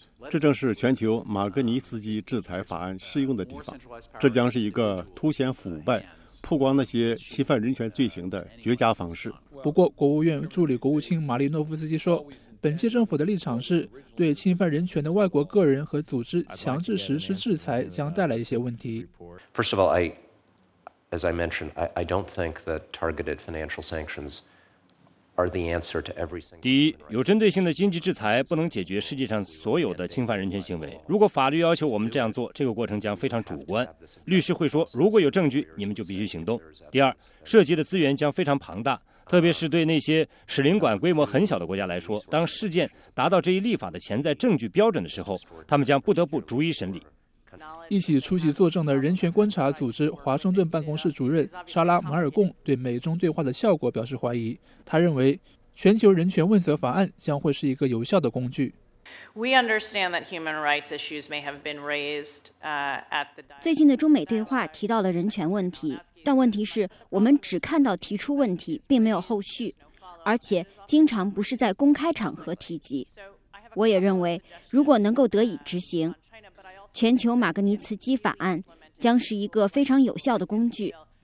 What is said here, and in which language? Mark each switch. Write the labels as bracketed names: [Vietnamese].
[Chinese] 这正是全球马格尼斯基制裁法案适用的地方，这将是一个凸显腐败、曝光那些侵犯人权罪行的绝佳方式。不过，国务院助理国务卿马利诺夫斯基说，本届政府的立场是对侵犯人权的外国个人和组织强制实施制裁将带来一些问题。 [English] First of all, as I mentioned, I don't think that targeted financial sanctions are the answer to every single. [Chinese] 第一，有针对性的经济制裁不能解决世界上所有的侵犯人权行为。如果法律要求我们这样做，这个过程将非常主观。律师会说，如果有证据，你们就必须行动。第二，涉及的资源将非常庞大，特别是对那些使领馆规模很小的国家来说，当事件达到这一立法的潜在证据标准的时候，他们将不得不逐一审理。一起出席作证的人权观察组织华盛顿办公室主任莎拉·马尔贡对美中对话的效果表示怀疑。他认为，全球人权问责法案将会是一个有效的工具。 [English] We understand that human rights issues may have been raised at the. [Chinese] 最近的中美对话提到了人权问题，但问题是我们只看到提出问题，并没有后续，而且经常不是在公开场合提及。我也认为，如果能够得以执行，全球马格尼茨基法案将是一个非常有效的工具。